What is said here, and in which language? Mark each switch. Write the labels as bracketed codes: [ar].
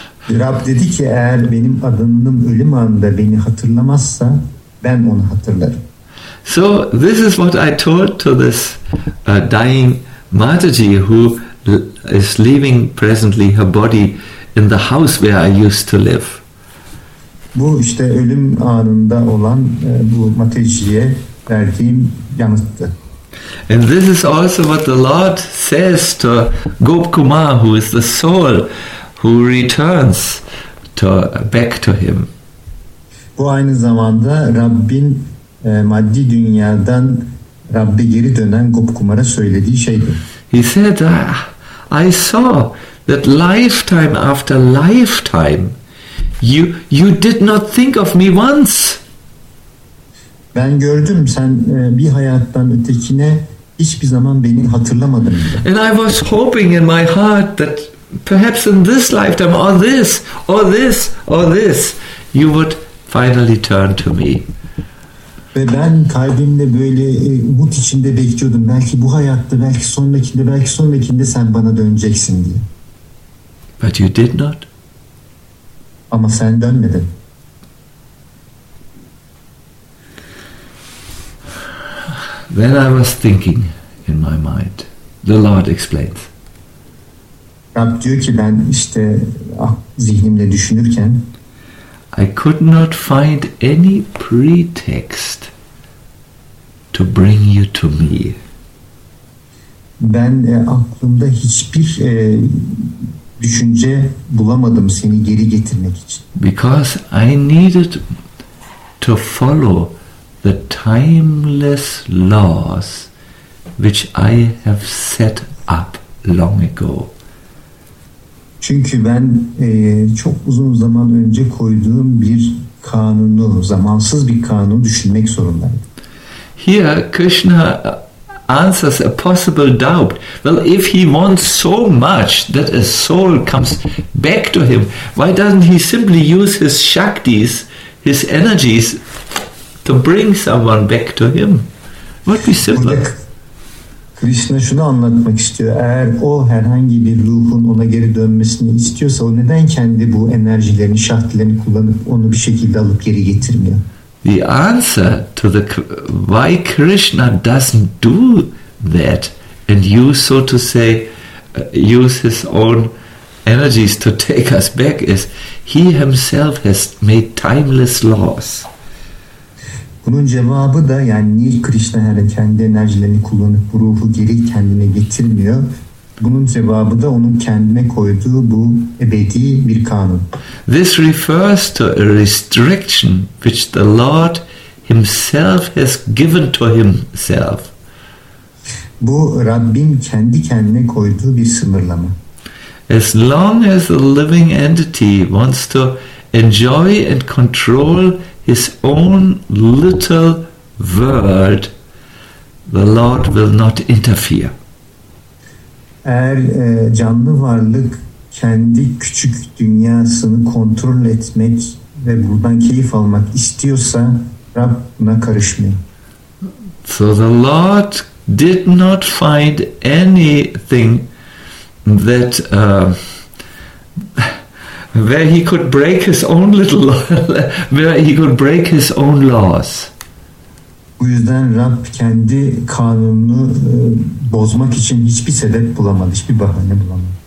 [tr] Rab dedi ki, eğer benim adamım ölüm anında beni hatırlamazsa, ben onu hatırlarım. [en] So this is what I told to this dying Mataji, who is leaving presently her body in the house where I used to live. [tr] Bu işte ölüm anında olan bu Mataji'ye verdiğim yanıttı. [en] And this is also what the Lord says to Gop Kumar, who is the soul who returns to back to him. [tr] Bu aynı zamanda Rabbin maddi dünyadan Rabbe geri dönen Gop Kumar'a söylediği şeydir. [en] He said, I saw that lifetime after lifetime you did not think of me once. [tr] Ben gördüm, sen bir hayattan ötekine hiçbir zaman beni hatırlamadın. [en] And I was hoping in my heart that perhaps in this lifetime or this or this or this you would finally turn to me. [tr] Ve ben kalbimde böyle umut içinde bekliyordum. Belki bu hayatta, belki sonrakinde, belki sonrakinde sen bana döneceksin diye. [en] But you did not. [tr] Ama sen dönmedin. [en] Then I was thinking in my mind, the Lord explains. [tr] Rab diyor ki, ben işte zihnimle düşünürken, [en] I could not find any pretext to bring you to me. [tr] Ben aklımda hiçbir düşünce bulamadım seni geri getirmek için. [en] Because I needed to follow the timeless laws which I have set up long ago. [tr] Çünkü ben çok uzun zaman önce koyduğum bir kanunu, zamansız bir kanunu düşünmek zorundayım. [en] Here Krishna answers a possible doubt. Well, if he wants so much that a soul comes back to him, why doesn't he simply use his shaktis, his energies, to bring someone back to him? What would be simpler? [tr] Krishna şunu anlatmak istiyor. Eğer o herhangi bir ruhun ona geri dönmesini istiyorsa, o neden kendi bu enerjilerini, şaktilerini kullanıp onu bir şekilde alıp geri getirmiyor? [en] The answer to the why Krishna doesn't do that and use, so to say, use his own energies to take us back is, he himself has made timeless laws. [tr] Bunun cevabı da, yani niye Krishna yani kendi enerjilerini kullanıp bu ruhu geri kendine getirmiyor? Bunun cevabı da onun kendine koyduğu bu ebedi bir kanun. [en] This refers to a restriction which the Lord himself has given to himself. [tr] Bu Rabbin kendi kendine koyduğu bir sınırlama. [en] As long as the living entity wants to enjoy and control his own little world, the Lord will not interfere. [tr] Eğer canlı varlık kendi küçük dünyasını kontrol etmek ve buradan keyif almak istiyorsa, Rab buna karışmıyor. [en] So the Lord did not find anything that where he could break his own little where he could break his own laws. [tr] Bu yüzden Rab kendi kanununu bozmak için hiçbir sebep bulamadı, hiçbir bahane bulamadı.